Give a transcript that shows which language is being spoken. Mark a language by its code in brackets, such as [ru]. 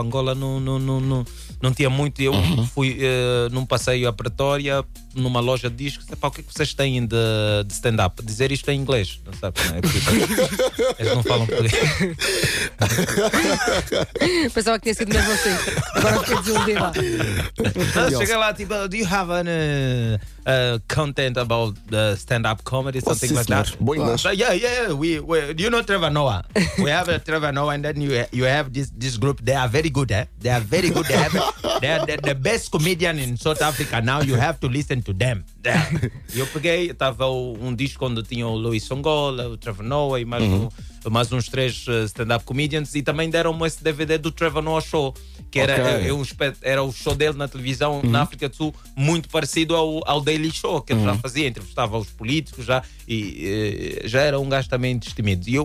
[pt] Angola não tinha muito. Eu fui num passeio à Pretória, numa loja de discos. O que é que vocês têm de stand-up? Dizer isto em inglês, não sabe, né? Eles não falam português. Pensava que tinha sido mais você. Agora fiquei desiludido. Cheguei lá, tipo, [en] do you have an content about the stand-up comedy? Something like that. [pt] Boa inglês. [en] Yeah. We, do you know Trevor Noah? We have Trevor Noah, and then you have this group. They are very good, eh? They are very good. They are the best comedian in South Africa now. You have to listen to them. [pt] Eu peguei, estava um disco onde tinha o Luis Songola, o Trevor Noah e mais, mais uns três stand-up comedians, e também deram-me esse DVD do Trevor Noah Show, que era, era o show dele na televisão na África do Sul, muito parecido ao Daily Show, que ele já fazia, entrevistava os políticos já, e já era um gajo também destemido.